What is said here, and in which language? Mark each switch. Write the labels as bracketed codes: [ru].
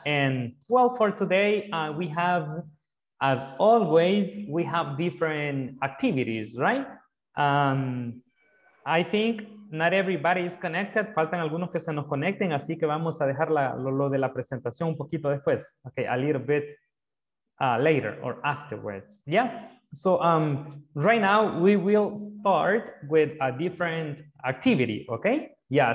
[en] And well, for today, we have, as always, we have different activities, right? I think not everybody is connected. [es] Faltan algunos que se nos conecten, así que vamos a dejar lo de la presentación un poquito después. [en] Okay, a little bit later or afterwards. Yeah. So right now we will start with a different activity. Okay. Yeah.